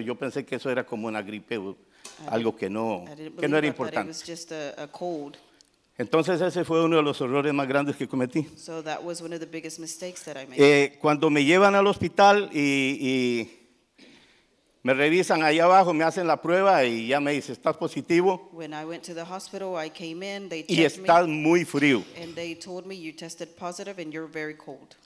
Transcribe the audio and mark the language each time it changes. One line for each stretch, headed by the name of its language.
Spanish: Yo pensé que eso era como una gripe, algo que no era importante.
English: It was just a cold.
Spanish: Entonces ese fue uno de los errores más grandes que cometí.
English: So that was one of the biggest mistakes that I made.
Spanish: Cuando me llevan al hospital y me revisan ahí abajo, me hacen la prueba y ya me dice, estás positivo.
English: When I went to the hospital, I came in, they checked me.
Spanish: Y estás muy frío.
English: And they told me you tested positive and you're very cold.